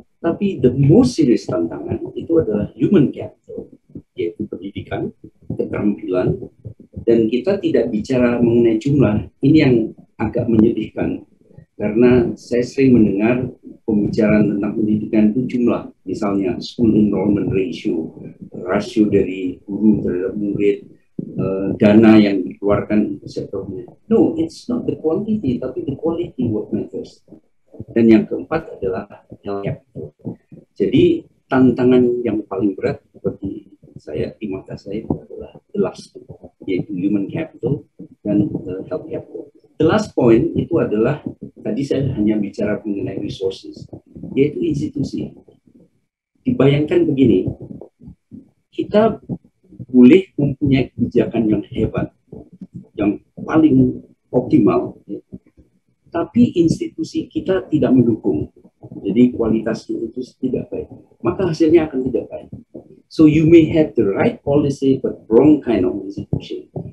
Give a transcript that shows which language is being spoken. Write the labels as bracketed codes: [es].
[id] Tapi [en] the most serious [id] tantangan itu adalah human capital, yaitu pendidikan, keterampilan, dan kita tidak bicara mengenai jumlah. Ini yang agak menyedihkan, karena saya sering mendengar pembicaraan tentang pendidikan itu jumlah, misalnya [en] school enrollment ratio, [id] rasio dari guru terhadap murid, dana yang dikeluarkan untuk sektornya. [en] No, it's not the quantity, [id] tapi [en] the quality what matters. [id] Dan yang keempat adalah health capital. Jadi tantangan yang paling berat bagi saya, di mata saya adalah the last, yaitu human capital dan health capital. [en] The last point [id] itu adalah, tadi saya hanya bicara mengenai resources, yaitu institusi. Dibayangkan begini, kita boleh mempunyai kebijakan yang hebat, yang paling optimal, tapi institusi kita tidak mendukung. Jadi kualitas institusi tidak baik. Maka hasilnya akan tidak baik. [en] So you may have the right policy, but wrong kind of institution.